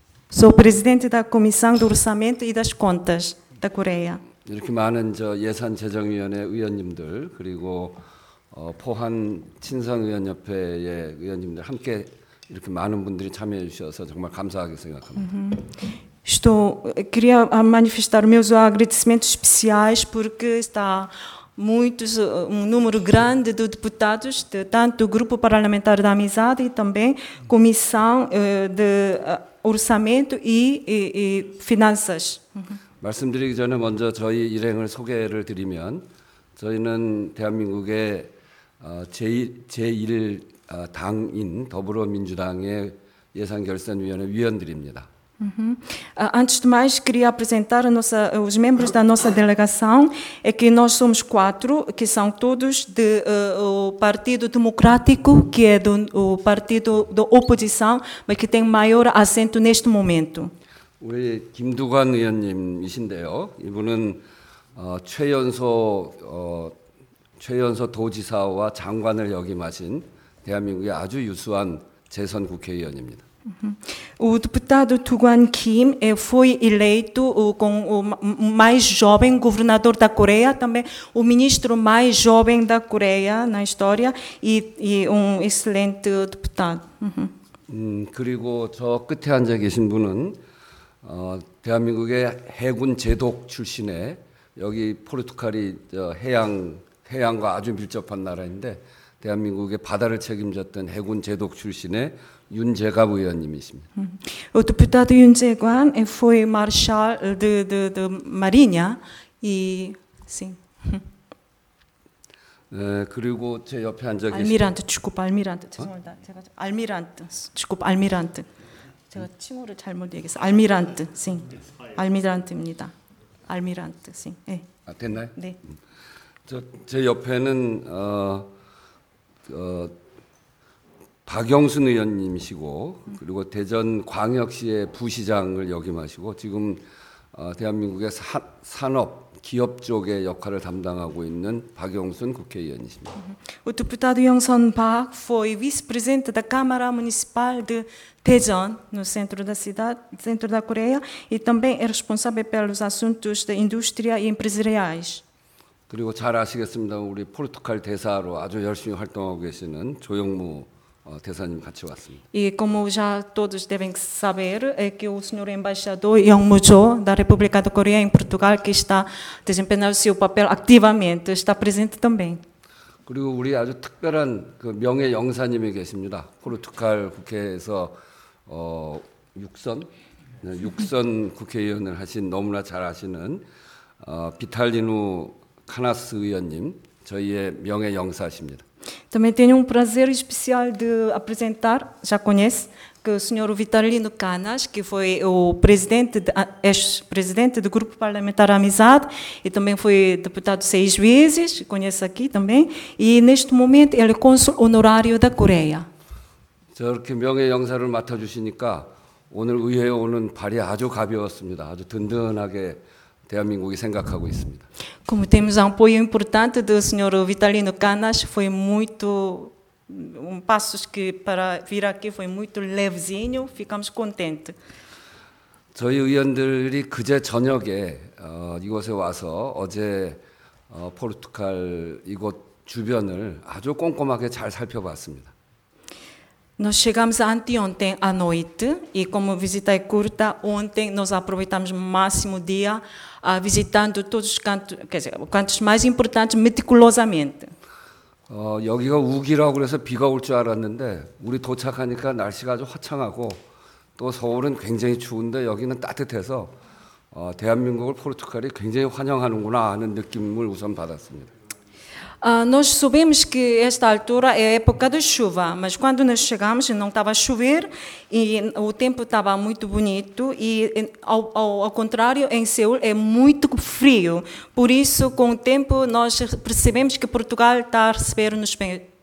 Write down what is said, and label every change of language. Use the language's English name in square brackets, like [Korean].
[Portuguese] Sou presidente da Comissão do Orçamento e das Contas da Coreia. [Korean] 이렇게 많은 저 예산재정위원회 의원님들 그리고 포한 친선의원협회의 의원님들 함께 이렇게 많은 분들이 참여해 주셔서 정말 감사하게 생각합니다. [Portuguese] Queria manifestar meus agradecimentos especiais porque está muitos, número grande de deputados, de, tanto do Grupo Parlamentar da Amizade e também Comissão de Orçamento e Finanças. [Korean] 말씀드리기 전에 먼저 저희 일행을 소개를 드리면 저희는 대한민국의 제1당인 더불어민주당의 예산결산위원회 위원들입니다. [Portuguese] Antes de mais, queria apresentar os membros da nossa delegação. É que nós somos quatro, que são todos do Partido Democrático, que é do partido da oposição, mas que tem maior assento neste momento. [Korean] 우리 김두관 의원님이신데요. 이분은 최연소 도지사와 장관을 역임하신 대한민국의 아주 유수한 재선 국회의원입니다. [Portuguese] O deputado Tuguan Kim foi eleito com o mais jovem governador da Coreia, também o ministro mais jovem da Coreia na história e excelente deputado. [Korean] 그리고 저 끝에 앉아 계신 분은 대한민국의 해군 제독 출신의 여기 포르투갈이 해양과 아주 밀접한 나라인데 대한민국의 바다를 책임졌던 해군 제독 출신의 윤재갑 의원님이십니다. [Portuguese] O deputado 윤재관 foi marshal de marinha e sim. [Korean] 네, 그리고 제 옆에 앉아 계신 알미란트 축구 알미란트 죄송합니다. 제가 알미란트 축구 알미란트 제가 칭호를 잘못 얘기해서 알미란트 [Portuguese] sim. [Korean] 알미란트입니다. 알미란트 [Portuguese] sim. [Korean] 예. 아, 됐나요? 네. 제 옆에는 박영순 의원님이시고 그리고 대전 광역시의 부시장을 역임하시고 지금 대한민국의 산업 기업 쪽의 역할을 담당하고 있는 박영순 국회의원이십니다. [Portuguese] O deputado Yongsun Park foi vice-presidente da Câmara Municipal de Daejeon, no centro da cidade, centro da Coreia, e também é responsável pelos assuntos de indústria e empresariais. [Korean] 그리고 잘 아시겠습니다. 우리 포르투갈 대사로 아주 열심히 활동하고 계시는 조영무 대사님 같이 왔습니다. [Portuguese] E como já todos devem saber, é que o senhor embaixador Yong Mu Jo da República da Coreia em Portugal que está desempenhando seu papel ativamente, está presente também. [Korean] 그리고 우리 아주 특별한 그 명예 영사님이 계십니다. 포르투갈 국회에서 육선 국회의원을 하신 너무나 잘 아시는 비탈리누 카나스 의원님, 저희의 명예 영사십니다. [Portuguese] Também tenho prazer especial de apresentar, já conhece, que o senhor Vitalino Canas, que foi o presidente, ex-presidente do Grupo Parlamentar Amizade, e também foi deputado 6 vezes, conhece aqui também, e neste momento ele é cônsul honorário da Coreia. [Korean] 저렇게 명예 영사를 맡아주시니까 오늘 의회에 오는 발이 아주 가벼웠습니다. 아주 든든하게 대한민국이 생각하고 있습니다. [Portuguese] Como temos um apoio importante do senhor Vitalino Canas, foi muito passos que para vir aqui foi muito levezinho, ficamos contente. [Korean] 저희 의원들이 그제 저녁에 이곳에 와서 어제 포르투갈 이곳 주변을 아주 꼼꼼하게 잘 살펴봤습니다. [Portuguese] Nós chegamos anteontem à noite e como a visita é curta, ontem nós aproveitamos o máximo dia visitando todos os cantos, quer dizer, os cantos mais importantes meticulosamente. [Korean] 여기가 우기라고 그래서 비가 올 줄 알았는데 우리 도착하니까 날씨가 아주 화창하고 또 서울은 굉장히 추운데 여기는 따뜻해서 대한민국을 포르투갈이 굉장히 환영하는구나 하는 느낌을 우선 받았습니다. [Portuguese] Nós soubemos que esta altura é época de chuva, mas quando nós chegamos não estava a chover e o tempo estava muito bonito e ao contrário, em Seul é muito frio. Por isso, com o tempo, nós percebemos que Portugal está a receber nos bem.